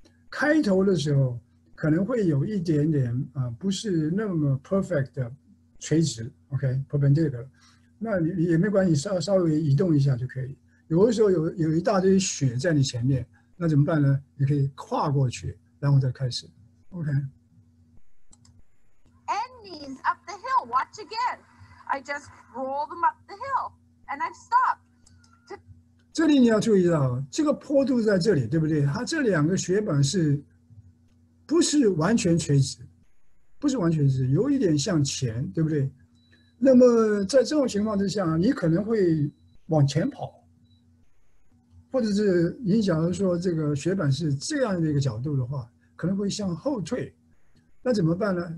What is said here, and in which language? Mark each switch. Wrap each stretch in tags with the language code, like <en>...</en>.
<zh>开头的时候可能会有一点点不是那么 perfect 的垂直 ，OK perpendicular， 那也没关系，稍微移动一下就可以。有的时候有一大堆雪在你前面，那怎么办呢？你可以跨过去，然后再开始 ，OK。</zh> <en>Endings up the hill. Watch again. I just roll them up the hill, and I stop.</en> <zh>这里你要注意到，这个坡度在这里，对不对？它这两个雪板是不是完全垂直？不是完全是，有一点向前，对不对？那么在这种情况之下，你可能会往前跑，或者是你假如说这个雪板是这样的一个角度的话，可能会向后退。那怎么办呢？</zh>